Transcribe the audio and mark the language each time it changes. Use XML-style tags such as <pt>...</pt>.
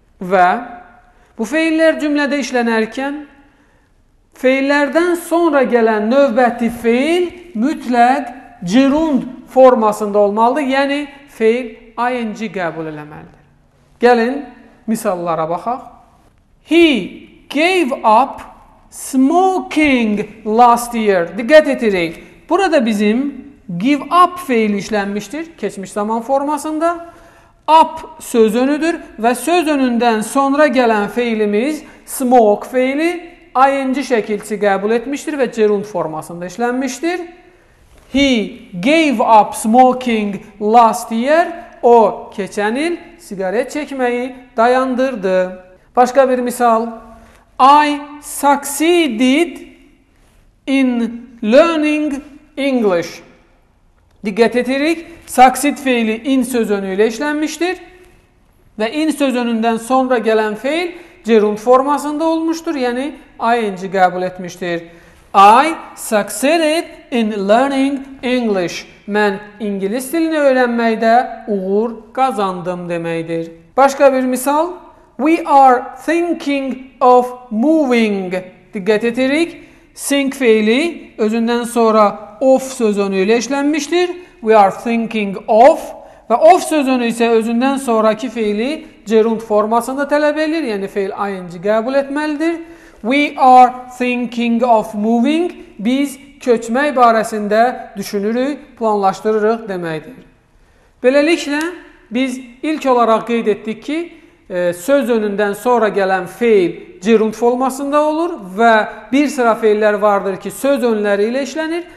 <az>Və bu feillər cümlədə işlənərkən feillərdən sonra gələn növbəti feil mütləq gerund formasında olmalıdır, yəni feil ing qəbul eləməlidir. Gəlin misallara baxaq.</az> <en>He gave up smoking last year.</en> <az>Diqqət edirik. Burada bizim give up feil işlənmişdir, keçmiş zaman formasında. Up söz önüdür və söz önündən sonra gələn feilimiz smoke feili ing şəkilçi qəbul etmişdir və gerund formasında işlənmişdir.</az> <en>He gave up smoking last year.</en> <az>O, keçən il siqaret çəkməyi dayandırdı. Başqa bir misal.</az> <en>I succeeded in learning English.</en> <az>Diqqət edirik. Succeed feili in söz önü ilə işlənmişdir. Və in söz önündən sonra gələn feil gerund formasında olmuşdur. Yəni, ing qəbul etmişdir.</az> <en>I succeeded in learning English.</en> <az>Mən ingilis dilini öyrənməkdə uğur qazandım deməkdir. Başqa bir misal.</az> <en>We are thinking of moving.</en> <az>Diqqət edirik. Think feili özündən sonra of sözünü ilə işlənmişdir.</az> <en>We are thinking of.</en> <az>Və of sözünü isə özündən sonraki feili gerund formasında tələb edir. Yəni, feil ing qəbul etməlidir.</az> <en>We are thinking of moving.</en> <az>Biz köçmək barəsində düşünürük, planlaşdırırıq deməkdir. Beləliklə, biz ilk olaraq qeyd etdik ki, söz önündən sonra gələn feil gerund formasında olur və bir sıra feillər vardır ki, söz önləri ilə işlənir.</az>